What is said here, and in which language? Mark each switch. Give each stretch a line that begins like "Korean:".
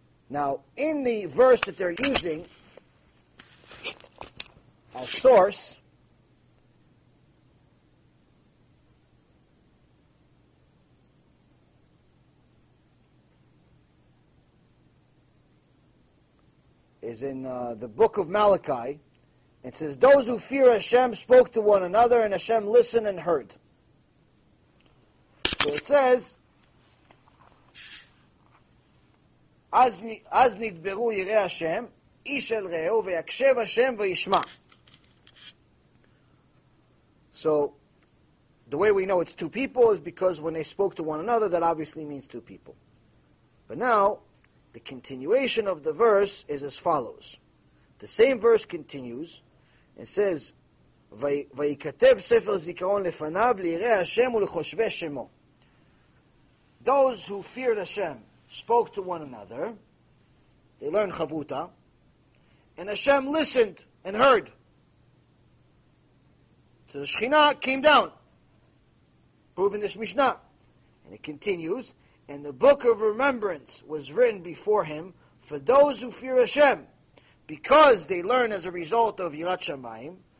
English: Now, in the verse that they're using as source, is in the book of Malachi. It says, those who fear Hashem spoke to one another, and Hashem listened and heard. So it says,
Hebrew: אז נדברו יראי השם, איש אל ראהו, ויקשב השם וישמע.
English: So, the way we know it's two people is because when they spoke to one another, that obviously means two people. But now, the continuation of the verse is as follows. The same verse continues, and says,
Hebrew: ויקטב ספר זיכרון לפניו ליראי השם ולחושבי שמו.
English: Those who feared Hashem spoke to one another. They learned chavruta, and Hashem listened and heard. So the Shekhinah came down, proving this Mishnah. And it continues, and the book of remembrance was written before him for those who fear Hashem, because they learn as a result of Yirat Shamayim.